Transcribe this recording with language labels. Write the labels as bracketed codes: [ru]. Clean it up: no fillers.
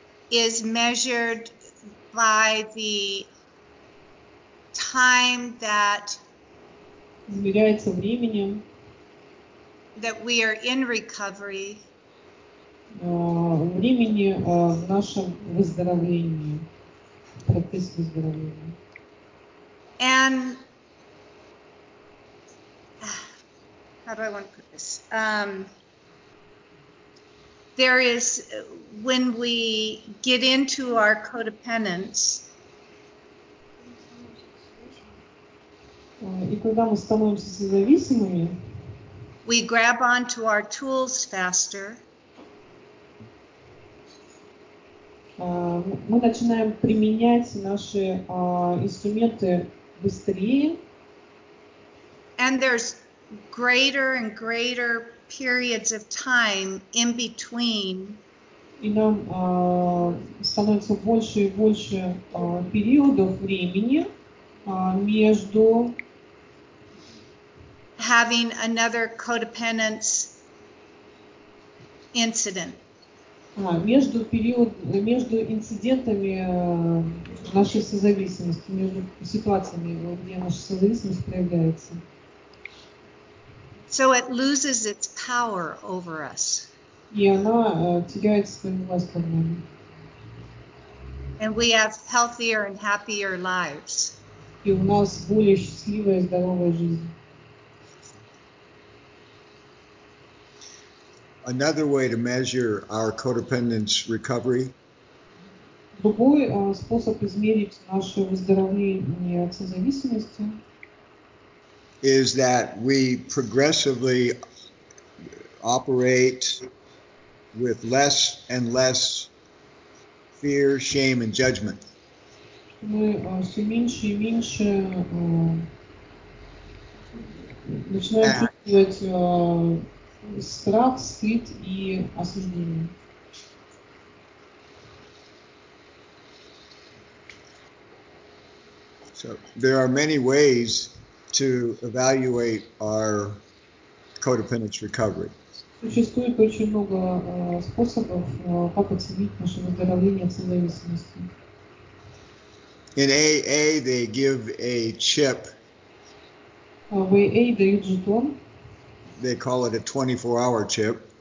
[en] Is measured by the time that [ru] измеряется временем [en] that we are in recovery [ru] времени в нашем выздоровлении, в процессе выздоровления. [en] And how do I want to put this? There is when we get into our codependence. [ru] И когда мы становимся созависимыми, [en] we grab onto our tools faster. [ru] Мы начинаем применять наши инструменты быстрее. [en] And there's greater and greater periods of time in between. [ru] И нам становится больше и больше периодов времени между [en] having another codependence incident. [ru] Между инцидентами нашей созависимости, между ситуациями, где наша созависимость проявляется. [en] So it loses its power over us. [ru] И она теряет свою власть над нами. [en] And we have healthier and happier lives. [ru] И у нас более счастливая и здоровая жизнь. [en] Another way to measure our codependence recovery. [ru] Другой способ измерить наше выздоровление от созависимости. [en] Is that we progressively operate with less and less fear, shame, and judgment. [ru] Мы все меньше и меньше начинаем чувствовать страх, стыд и осуждение. [en] So there are many ways to evaluate our codependence recovery. [ru] Существует очень много способов, как оценить наше выздоровление от созависимости. [en] In AA, they give a chip. [ru] В AA дают жетон. [en] They call it a 24-hour chip.